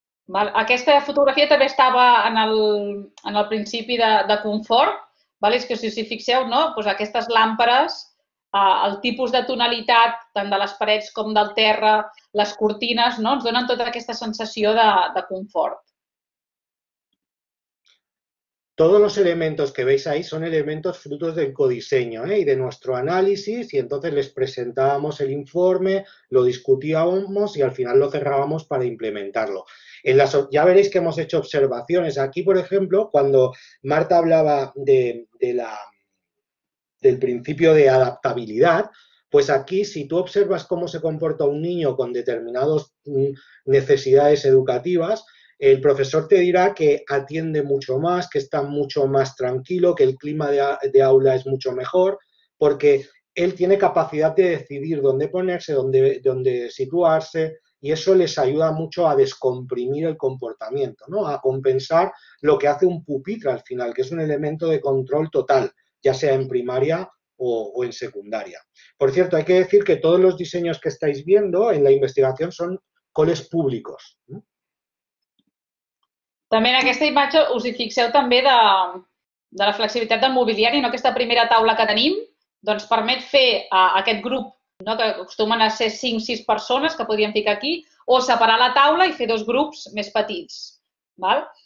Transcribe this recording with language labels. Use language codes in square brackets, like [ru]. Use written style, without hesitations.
[ca] Val? Aquesta fotografia també estava en el principi de confort. Val? És que si us hi fixeu, no? Pues aquestes làmperes, el tipus de tonalitat, tant de les parets com del terra, les cortines, no?, ens donen tota aquesta sensació de confort. [es] Todos los elementos que veis ahí son elementos frutos del codiseño, ¿eh?, y de nuestro análisis, y entonces les presentábamos el informe, lo discutíamos y al final lo cerrábamos para implementarlo. Ya veréis que hemos hecho observaciones. Aquí, por ejemplo, cuando Marta hablaba del principio de adaptabilidad, pues aquí, si tú observas cómo se comporta un niño con determinadas necesidades educativas, El profesor te dirá que atiende mucho más, que está mucho más tranquilo, que el clima de aula es mucho mejor, porque él tiene capacidad de decidir dónde ponerse, dónde situarse, y eso les ayuda mucho a descomprimir el comportamiento, ¿no? A compensar lo que hace un pupitre al final, que es un elemento de control total, ya sea en primaria o en secundaria. Por cierto, hay que decir que todos los diseños que estáis viendo en la investigación son coles públicos, ¿no? [ca] També en aquesta imatge us hi fixeu també de la flexibilitat del mobiliari, no? Aquesta primera taula que tenim doncs permet fer aquest grup, no? Que acostumen a ser 5-6 persones que podríem ficar aquí, o separar la taula i fer dos grups més petits. Val?